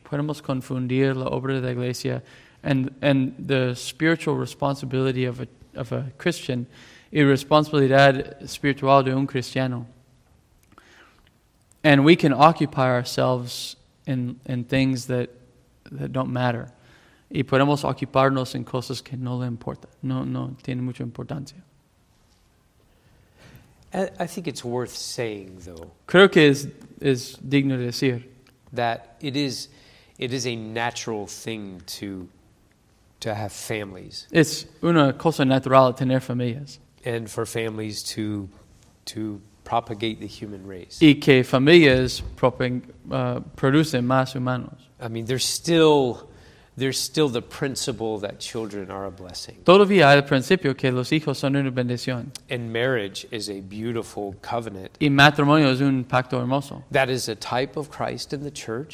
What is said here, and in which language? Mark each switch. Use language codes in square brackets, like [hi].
[es] Podemos confundir la obra de la iglesia [en] and the spiritual responsibility of a Christian [es] y responsabilidad espiritual de un cristiano. [en] And we can occupy ourselves in things that don't matter. [es] Y podemos ocuparnos en cosas que no le importa. No tiene mucha importancia. [en] I think it's worth saying, though. [es] Creo que es digno de decir [en] that it is a natural thing to have families. [es] Es una cosa natural tener familias. [en] And for families to propagate the human race. [es] Y que familias producen más humanos. [en] I mean, there's still the principle that children are a blessing. [es] Todavía hay el principio que los hijos son una bendición. [en] And marriage is a beautiful covenant. [es] Y matrimonio es un pacto hermoso. [en] That is a type of Christ in the church.